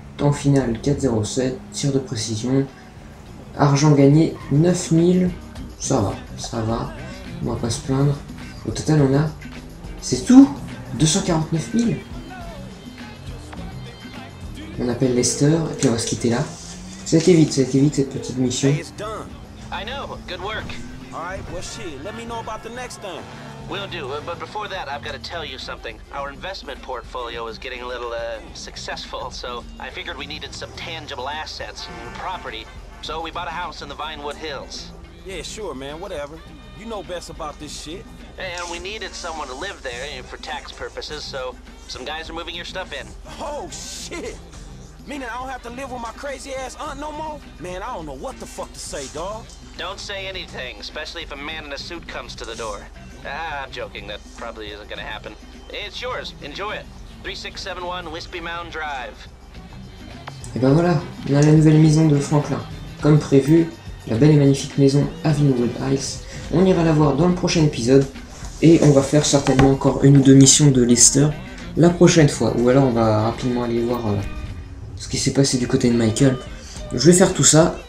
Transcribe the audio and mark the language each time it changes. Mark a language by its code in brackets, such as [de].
[fr] Temps final 4:07. Tir de précision. Argent gagné 9000. Ça va, ça va. On va pas se plaindre. Au total, on a. C'est tout? 249 000? On appelle Lester et puis on va se quitter là. Ça a été vite cette petite mission. [en] I know, good work. Alright, well shit, let me know about the next thing. Will do, but before that, I've got to tell you something. Our investment portfolio is getting a little, successful, so I figured we needed some tangible assets and property, so we bought a house in the Vinewood Hills. Yeah, sure, man, whatever. You know best about this shit. And we needed someone to live there for tax purposes, so some guys are moving your stuff in. Oh, shit! Meaning I don't have to live with my crazy-ass aunt no more? Man, I don't know what the fuck to say, dawg. Don't say anything, especially if a man in a suit comes to the door. I'm joking, that probably isn't gonna happen. It's yours, enjoy it. 3671 Wispy Mound Drive. [fr] Et ben voilà, on a la nouvelle maison de Franklin. Comme prévu, la belle et magnifique maison à Vinewood Heights. On ira la voir dans le prochain épisode. Et on va faire certainement encore une ou deux missions de Lester la prochaine fois. Ou alors on va rapidement aller voir ce qui s'est passé du côté de Michael. Je vais faire tout ça.